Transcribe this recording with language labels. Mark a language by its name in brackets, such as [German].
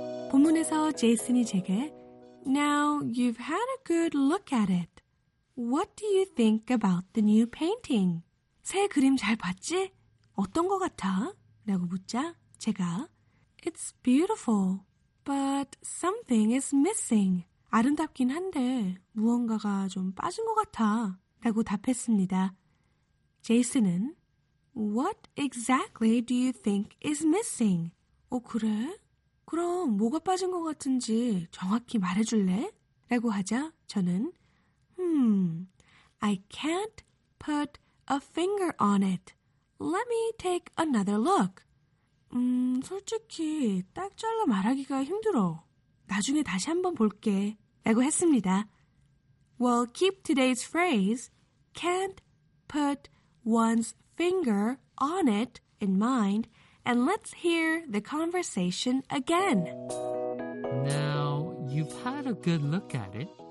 [Korean] 본문에서 제이슨이 제게 [English] Now, you've had a good look at it. What do you think about the new painting? [Korean] 새 그림 잘 봤지? 어떤 거 같아? 라고 묻자 제가 [English] It's beautiful, but something is missing. [Korean] 아름답긴 한데 무언가가 좀 빠진 것 같아 라고 답했습니다. [English] 제이슨은 What exactly do you think is missing? [Korean] 어, 그래? 그럼 뭐가 빠진 것 같은지 정확히 말해줄래? 라고 하자 저는 [English] I can't put a finger on it. Let me take another look. [Korean] 솔직히 딱 잘라 말하기가 힘들어. 나중에 다시 한번 볼게. 라고 했습니다. [English] Well, keep today's phrase, can't put one's finger on it in mind, and let's hear the conversation again. Now, you've had a good look at it.